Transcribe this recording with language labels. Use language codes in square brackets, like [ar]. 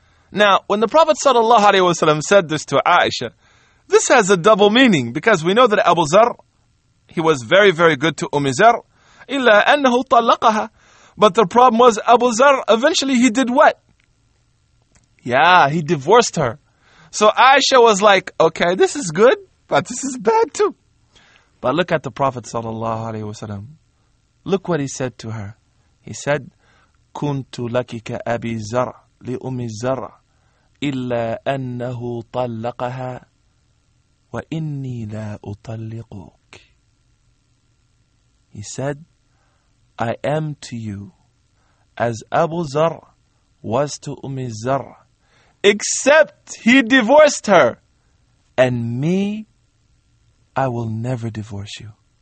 [en] Now, when the Prophet sallallahu alaihi wasallam said this to Aisha, this has a double meaning, because we know that Abu Zar, he was very, very good to Ummi Zar. [ar] إِلَّا أَنَّهُ طَلَّقَهَا. [en] But the problem was, Abu Zar, eventually he did what? Yeah, he divorced her. So Aisha was like, okay, this is good, but this is bad too. But look at the Prophet sallallahu alaihi wasallam. Look what he said to her. [ar] He said, كُنْتُ لَكِكَ أَبِي زَرْ لِأُمِّ زَرْ إِلَّا أَنَّهُ طَلَّقَهَا وَإِنِّي لَا أُطَلِّقُكَ. [en] He said, I am to you as Abu Zar was to Ummi Zar, except he divorced her, and me, I will never divorce you.